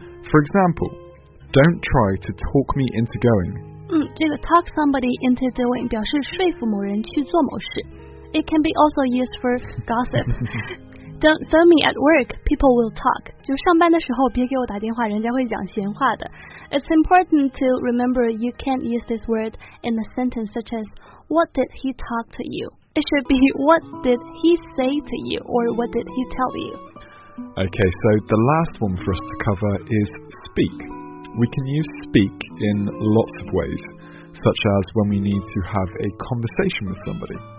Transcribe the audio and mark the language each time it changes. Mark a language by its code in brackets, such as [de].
[en] For example, don't try to talk me into going. 这个 talk somebody into doing 表示说服某人去做某事。 It can be also used for gossip. Don't phone me at work, people will talk. [zh] 就上班的时候别给我打电话，人家会讲闲话的。 [en] It's important to remember you can't use this word in a sentence such as What did he talk to you? It should be what did he say to you or what did he tell you? Okay, so the last one for us to cover is speak. We can use speak in lots of ways, such as when we need to have a conversation with somebody.